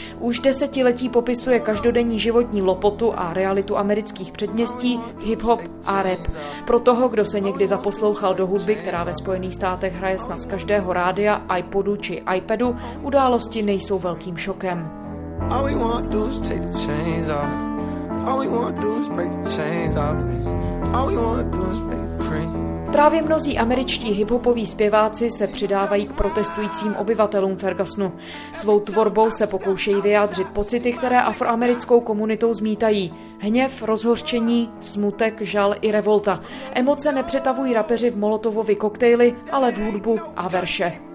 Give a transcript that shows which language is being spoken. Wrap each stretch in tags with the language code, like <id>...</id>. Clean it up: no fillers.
<cs>Už 10 let popisuje každodenní životní lopotu a realitu amerických předměstí, hip-hop a rap. Pro toho, kdo se někdy zaposlouchal do hudby, která ve Spojených státech hraje snad z každého rádia, iPodu či iPadu, události nejsou velkým šokem.</cs> <en>All we want to do is take the chains off. All we want to do is break the chains off. All we want to do is break free.</en> <cs>Právě mnozí američtí hiphopoví zpěváci se přidávají k protestujícím obyvatelům Fergusonu. Svou tvorbou se pokoušejí vyjádřit pocity, které afroamerickou komunitou zmítají. Hněv, rozhořčení, smutek, žal i revolta. Emoce nepřetavují rapeři v molotovovy koktejly, ale v hudbu a verše.</cs>